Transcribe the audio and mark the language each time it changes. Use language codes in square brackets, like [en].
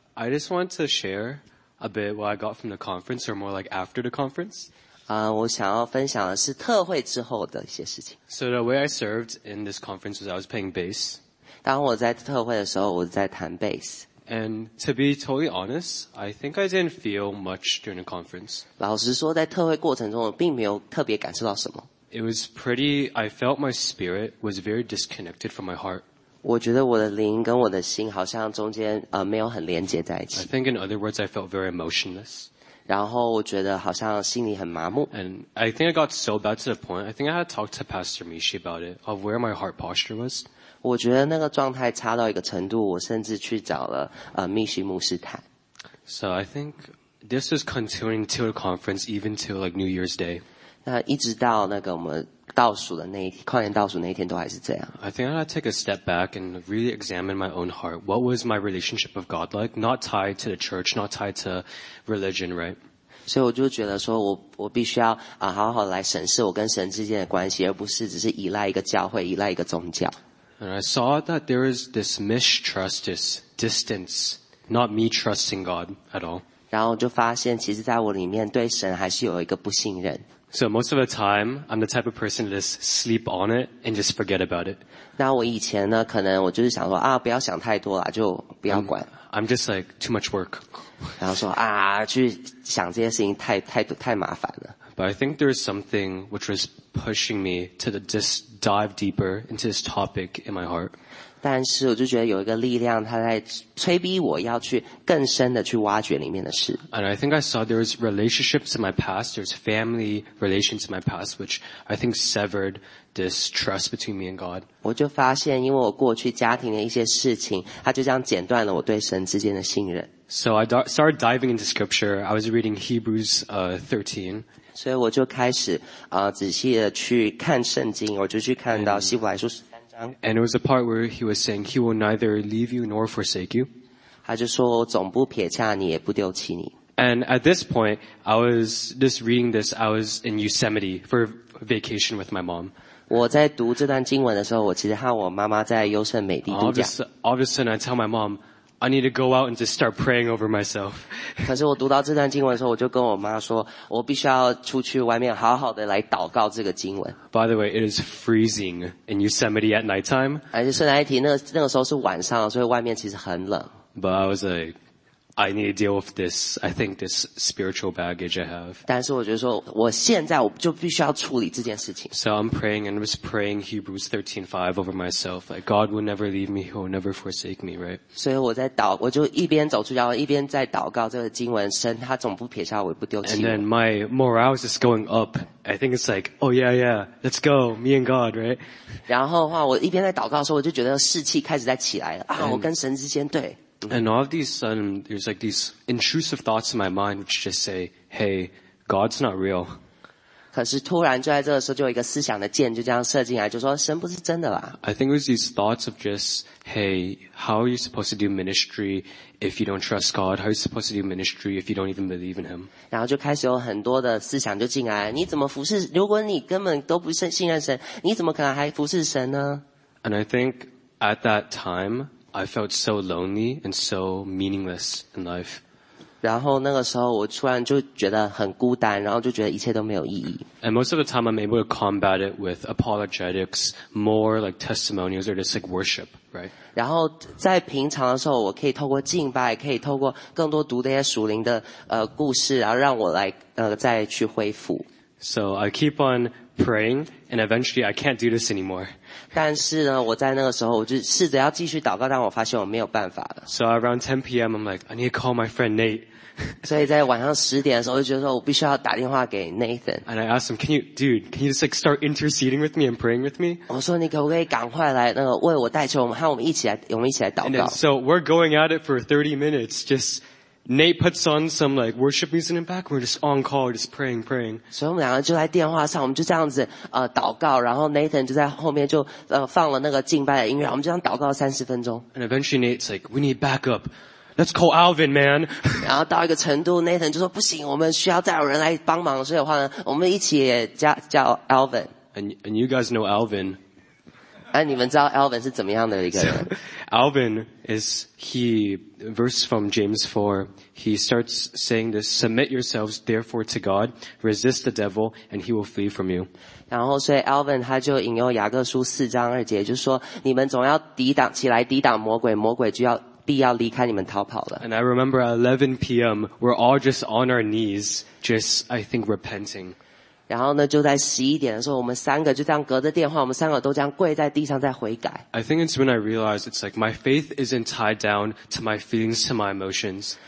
[en] I just want to share a bit what I got from the conference, or more like after the conference. [zh] 我想要分享的是特会之后的一些事情。 [en] So the way I served in this conference was I was playing bass. [zh] 当我在特会的时候，我在弹 bass。 [en] And to be totally honest, I think I didn't feel much during the conference. [zh] 老实说，在特会过程中，我并没有特别感受到什么。 [en] It was pretty, I felt my spirit was very disconnected from my heart. [zh] 我觉得我的灵跟我的心好像中间没有很连接在一起。 [en] I think in other words, I felt very emotionless. [zh] 然后我觉得好像心里很麻木。 [en] And I think I got so bad to the point, I think I had to talk to Pastor Mishi about it, of where my heart posture was. [zh] 我觉得那个状态差到一个程度，我甚至去找了Mishi牧师谈。 [en] So I think this is continuing to the conference, even to like New Year's Day. [zh] 那一直到那个我们倒数的那一天，跨年倒数那一天都还是这样。 [en] I think I had to take a step back and really examine my own heart. What was my relationship with God like? Not tied to the church, not tied to religion, right? [zh] 所以我就觉得说我必须要好好来审视我跟神之间的关系，而不是只是依赖一个教会，依赖一个宗教。 [en] And I saw that there is this mistrust, this distance, not me trusting God at all. [zh] 然后就发现其实在我里面对神还是有一个不信任。 [en] So most of the time, I'm the type of person to just sleep on it and just forget about it. [zh] 那我以前呢，可能我就是想说啊，不要想太多了，就不要管。 [en] I'm just like too much work. [zh] 然后说啊，去想这些事情太麻烦了。 [en] But I think there's something which was pushing me to just dive deeper into this topic in my heart. [zh] 但是我就觉得有一个力量，它在催逼我要去更深的去挖掘里面的事。 [en] And I think I saw there was relationships in my past, there's family relations in my past, which I think severed this trust between me and God. [zh] 我就发现，因为我过去家庭的一些事情，它就这样剪断了我对神之间的信任。 [en] So I started diving into scripture. I was reading Hebrews 13. [zh] 所以我就开始仔细的去看圣经，我就去看到希伯来书。 [en] And it was a part where he was saying he will neither leave you nor forsake you. [zh] 他就说总不撇下你也不丢弃你。 [en] And at this point, I was just reading this. I was in Yosemite for vacation with my mom. [zh] 我在读这段经文的时候，我其实和我妈妈在优胜美地度假。 [en] All of a sudden, I tell my mom, I need to go out and just start praying over myself. [zh] 可是我读到这段经文的时候，我就跟我妈说，我必须要出去外面好好的来祷告这个经文。 [en] By the way, it is freezing in Yosemite at nighttime. [zh] 而且顺带一提，那个时候是晚上，所以外面其实很冷。 [en] But I was like, I need to deal with this. I think this spiritual baggage I have. [zh] 但是我觉得说，我现在我就必须要处理这件事情。 [en] So I'm praying and was praying Hebrews 13:5 over myself. Like God will never leave me, He will never forsake me, right? [zh] 所以我在祷，我就一边走出家门，一边在祷告这个经文，神他总不撇下我，不丢弃我。 [en] And then my morale is just going up. I think it's like, oh yeah, yeah, let's go, me and God, right? [zh] 然后的话，我一边在祷告的时候，我就觉得士气开始在起来了啊！我跟神之间对。 [en] And all of these sudden, there's like these intrusive thoughts in my mind, which just say, "Hey, God's not real." [zh] 可是突然就在这个时候，就有一个思想的箭就这样射进来，就说神不是真的啦。 [en] I think it was these thoughts of just, "Hey, how are you supposed to do ministry if you don't trust God? How are you supposed to do ministry if you don't even believe in Him?" [zh] 然后就开始有很多的思想就进来，你怎么服侍？如果你根本都不信任神，你怎么可能还服侍神呢 [en] ？And I think at that time, I felt so lonely and so meaningless in life. [zh] 然后那个时候我突然就觉得很孤单，然后就觉得一切都没有意义。 [en] And most of the time I'm able to combat it with apologetics, more like testimonials or just like worship, right? [zh] 然后在平常的时候我可以透过敬拜，可以透过更多读这些属灵的故事，然后让我来再去恢复。 [en] So I keep on praying and eventually I can't do this anymore. [zh] 但是呢我在那个时候我就试着要继续祷告但我发现我没有办法了。 [en] So around 10 PM, I'm like, I need to call my friend Nate. [zh] 所以在晚上十点的时候我就觉得说我必须要打电话给 Nathan. [en] And I asked him, can you just like start interceding with me and praying with me? [zh] 我说你可不可以赶快来那个为我代求我们和我们一起来祷告。 [en] And then, so we're going at it for 30 minutes, just,Nate puts on some like worship music in the back. We're just on call, just praying. [zh] 所以我们两个就在电话上，我们就这样子祷告。然后 Nathan 就在后面就放了那个敬拜的音乐，我们就这样祷告30分钟。 [en] And eventually Nate's like, "We need backup. Let's call Alvin, man." [zh] 然后到一个程度 ，Nathan 就说不行，我们需要再有人来帮忙。所以的话呢，我们一起也叫 Alvin。 [en] And you guys know Alvin. [zh] 哎，你们知道 Alvin 是怎么样的一个人？ [en] Alvin is he verse from James 4. He starts saying this: Submit yourselves therefore to God, resist the devil, and he will flee from you. [zh] 然后，所以 Alvin 他就引用雅各书四章二节，就是说你们总要抵挡起来，抵挡魔鬼，魔鬼就要必要离开你们逃跑了。 [en] And I remember at 11 p.m. we're all just on our knees, just I think repenting. [zh] 然后呢，就在11点的时候，我们三个就这样隔着电话，我们三个都这样跪在地上在悔改。 [en] I think it's when I realized it's like my faith isn't tied down to my feelings, to my emotions.